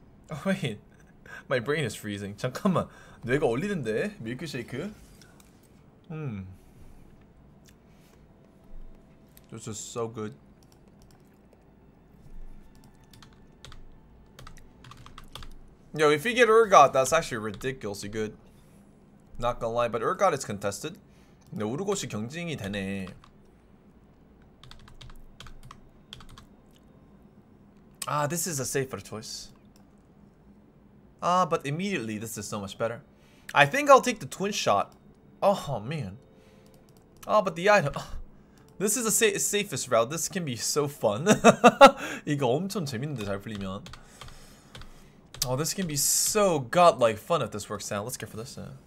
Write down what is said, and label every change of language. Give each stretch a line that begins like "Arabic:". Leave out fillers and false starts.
English: Oh, wait. My brain is freezing.
Korean: 잠깐만. 뇌가 얼리는데? 밀크쉐이크?
English: This is so good. Yo, if you get Urgot, that's actually ridiculously good. Not gonna lie, but Urgot is contested.
Korean: 근데 우르곳이 경쟁이 되네. 아,
English: this is a safer choice. But immediately this is so much better. I think I'll take the twin shot. Oh, man. But the item. This is the safest route. This can be so fun.
Korean: 이거 엄청 재밌는데 잘 풀리면.
English: Oh, this can be so godlike fun if this works out. Let's get for this.